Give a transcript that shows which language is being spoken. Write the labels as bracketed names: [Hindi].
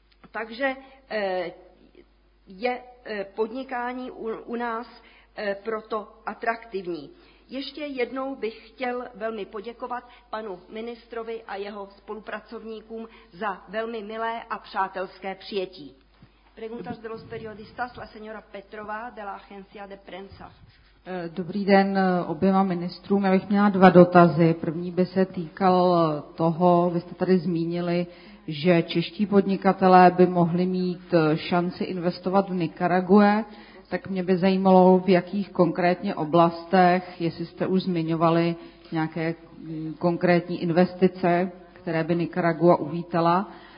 [Czech] Takže je podnikání u nás proto atraktivní. Ještě jednou bych chtěl velmi poděkovat panu ministrovi a jeho spolupracovníkům za velmi milé a přátelské přijetí. [Spanish] Preguntas de los periodistas, la señora Petrová de la Agencia de Prensa. [Czech] Dobrý den oběma ministrům. Já bych měla dva dotazy. První by se týkal toho, vy jste tady zmínili, že čeští podnikatelé by mohli mít šanci investovat v Nicaragua. Tak mě by zajímalo, v jakých konkrétně oblastech, jestli jste už zmiňovali nějaké konkrétní investice, které by Nicaragua uvítala.